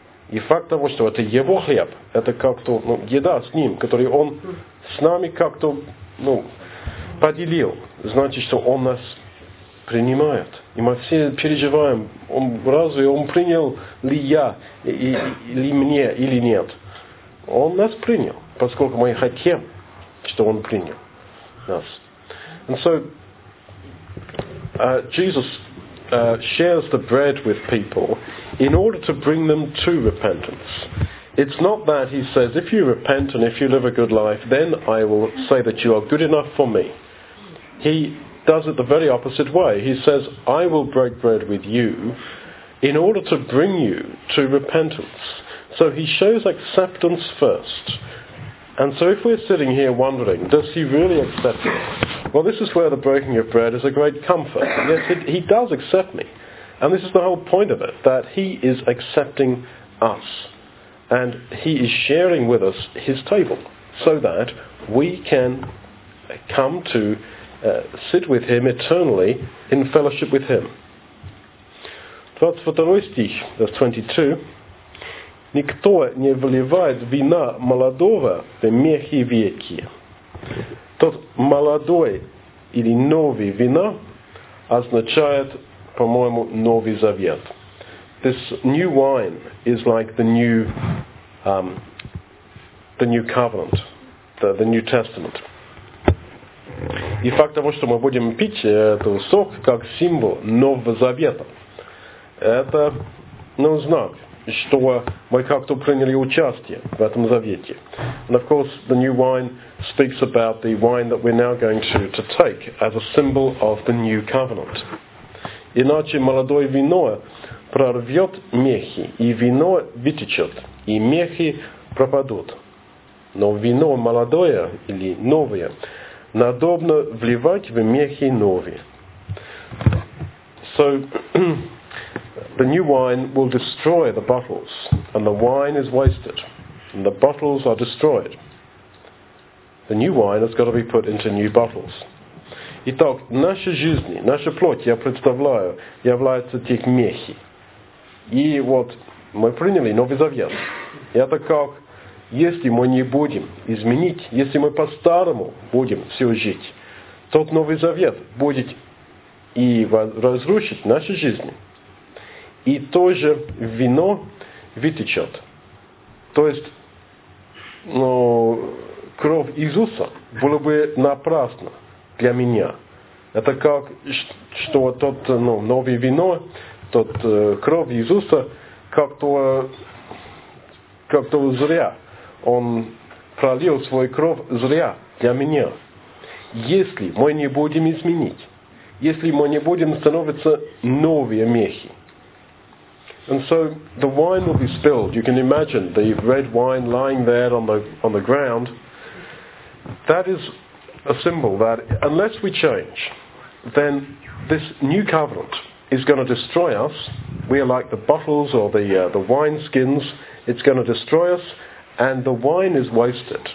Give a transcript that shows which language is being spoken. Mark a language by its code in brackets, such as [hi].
[ru] И факт того, что это Его хлеб, это как-то еда с Ним, который Он с нами как-то поделил, значит, что Он нас принимает. И мы все переживаем, разве Он принял ли я, или мне, или нет. Он нас принял, поскольку мы хотим, что Он принял нас. [en] And so, Jesus shares the bread with people in order to bring them to repentance. It's not that he says, if you repent and if you live a good life, then I will say that you are good enough for me. He does it the very opposite way. He says, I will break bread with you in order to bring you to repentance. So he shows acceptance first. And so if we're sitting here wondering, does he really accept me? Well, this is where the breaking of bread is a great comfort. Yes, he does accept me. And this is the whole point of it, that he is accepting us. And he is sharing with us his table so that we can come to sit with him eternally in fellowship with him. Dort wird der Neustich, Vers 22. [ru] Никто не выливает вина молодого в мехи веки. Тот молодой или новый вина означает, по-моему, новый завет. [en] This new wine is like the new covenant, the new testament. [ru] И факт того, что мы будем пить этот сок как символ нового завета, это знак, что мы как-то приняли участие в этом завете. [en] And of course, the new wine speaks about the wine that we're now going to take as a symbol of the new covenant. [ru] Иначе молодое вино прорвет мехи, и вино вытечет, и мехи пропадут. Но вино молодое или новое надобно вливать в мехи новые. [en] So, the new wine will destroy the bottles, and the wine is wasted, and the bottles are destroyed. The new wine has got to be put into new bottles. [ru] Итак, наша жизнь, наша плоть, я представляю, является тех мехи. И вот мы приняли новый завет. Это как, если мы не будем изменить, если мы по-старому будем все жить, тот новый завет будет и разрушить наши жизни. И тоже вино вытечет. То есть, кровь Иисуса была бы напрасна для меня. Это как, что тот новый вино, тот кровь Иисуса, как-то зря. Он пролил свою кровь зря для меня. Если мы не будем изменить, если мы не будем становиться новые мехи. [en] And so the wine will be spilled. You can imagine the red wine lying there on the ground. That is a symbol that unless we change, then this new covenant is going to destroy us. We are like the bottles or the wine skins. It's going to destroy us, and the wine is wasted.